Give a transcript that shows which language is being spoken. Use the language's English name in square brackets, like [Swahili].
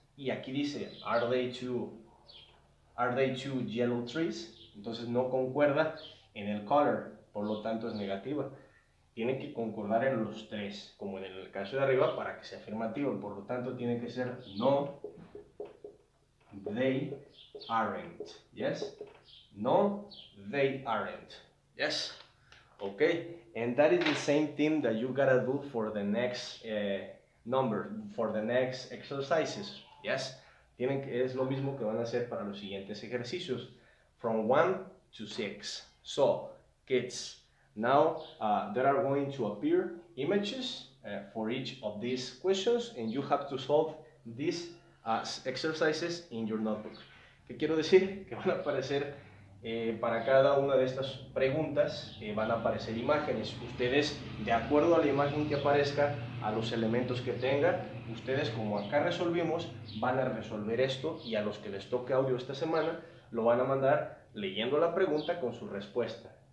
[Spanish] Y aquí dice, [English] are they two yellow trees? [Spanish] Entonces no concuerda en el color, por lo tanto es negativa. Tiene que concordar en los tres, como en el caso de arriba, para que sea afirmativo. Por lo tanto, tiene que ser no, [English] they aren't. Yes? No, they aren't. Yes? Okay. And that is the same thing that you gotta do for the next number, for the next exercises. Yes? [Spanish] Es lo mismo que van a hacer para los siguientes ejercicios. [English] From 1 to 6. So, kids, now there are going to appear images for each of these questions, and you have to solve these exercises in your notebook. [Spanish] ¿Qué quiero decir? Que van a aparecer, para cada una de estas preguntas, van a aparecer imágenes. Ustedes, de acuerdo a la imagen que aparezca, a los elementos que tenga, ustedes, como acá resolvimos, van a resolver esto, y a los que les toque audio esta semana, lo van a mandar leyendo la pregunta con su respuesta.